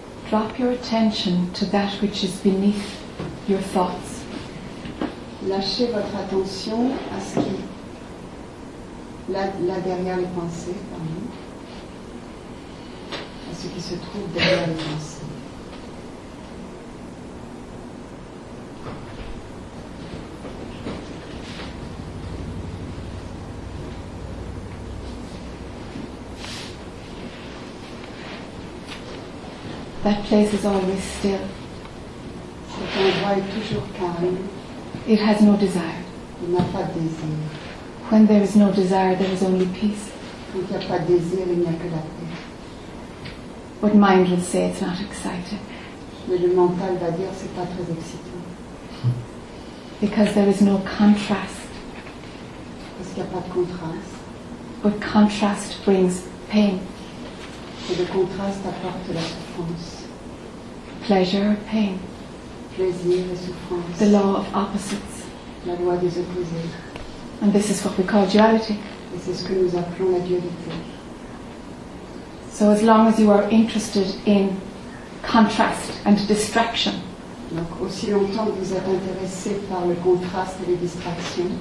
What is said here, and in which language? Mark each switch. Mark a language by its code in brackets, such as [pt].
[en] Drop your attention to that which is beneath your thoughts. [fr] Lâchez votre attention à ce qui là derrière les pensées, pardon, à ce qui se trouve derrière les pensées. [en] That place is always still. [fr] Cet endroit est toujours calme. [en] It has no desire. [fr] Il n'a pas de désir. [en] When there is no desire, there is only peace. [fr] Quand il n'y a pas de désir, il n'y a que la paix. [en] But mind will say it's not exciting. [fr] Mais le mental va dire c'est pas très excitant. [en] Because there is no contrast. [fr] Parce qu'il n'y a pas de contraste. [en] But contrast brings pain. [fr] Et le contraste apporte la souffrance. [en] Pleasure or pain. [fr] Plaisir et souffrance. [en] The law of opposites. [fr] La loi des opposés. [en] And this is what we call duality. [fr] Et c'est ce que nous appelons la dualité. [en] So as long as you are interested in contrast and distraction, [fr] donc aussi longtemps que vous êtes intéressé par le contraste et les distractions,